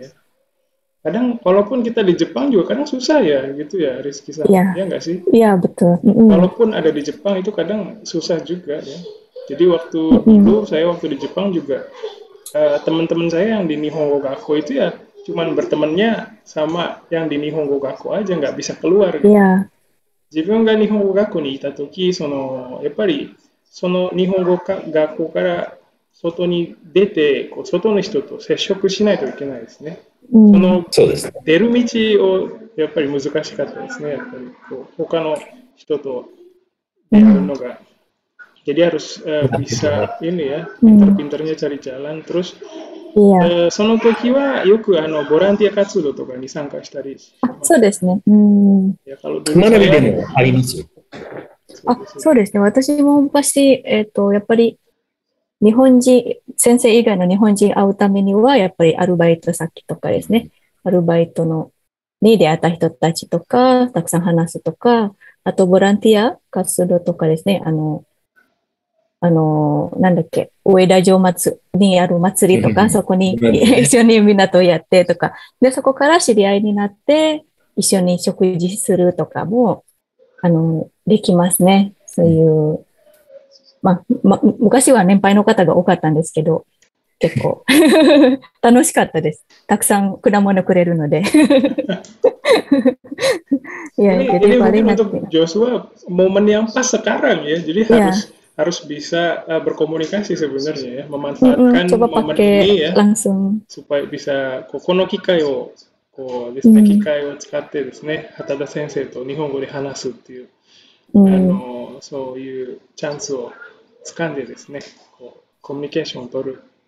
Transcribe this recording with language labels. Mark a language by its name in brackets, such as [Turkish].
[Indonesian] Ya kadang walaupun kita di Jepang juga kadang susah ya gitu ya Rizky, sama ya, ya nggak sih? Iya betul. Walaupun ada di Jepang itu kadang susah juga ya. Jadi waktu dulu saya waktu di Jepang juga teman-teman saya yang di Nihongo Gakko itu ya cuman bertemannya sama yang di Nihongo Gakko aja, nggak bisa keluar. Iya. [Japanese] 自分が日本語学校にいたとき、やっぱりその日本語学校から外に出て、こう外の人と接触しないといけないですね。その出る道をやっぱり難しかったですね。やっぱりこう他の人と出るのが。 [Indonesian] Jadi harus bisa ini ya, pintar-pintarnya cari jalan. Terus [Japanese] その時はよくボランティア活動とかに参加したり。そうですね。学びでもありますよ。そうですね。私も昔、やっぱり日本人、先生以外の日本人会うためには、やっぱりアルバイト先とかですね。アルバイトのに出会った人たちとか、たくさん話すとか、あとボランティア活動とかですね、なんだっけ、上田城祭にある祭りとか、そこに一緒にみんなとやってとか、で、そこから知り合いになって、一緒に食事するとかも、できますね。そういう、昔は年配の方が多かったんですけど、結構楽しかったです。たくさん果物くれるので。いや、 [Indonesian] ini mungkin untuk Joshua momen yang pas sekarang ya, jadi harus harus bisa berkomunikasi sebenarnya ya, memanfaatkan coba momen pakai ini ya, langsung supaya bisa [Japanese] kokono kikai wo, ko desne kikai wo tsukatte desu ne, Hatada sensei to nihongo de hanasu っていう、そういうチャンスを掴んでですね、こうコミュニケーションを取る。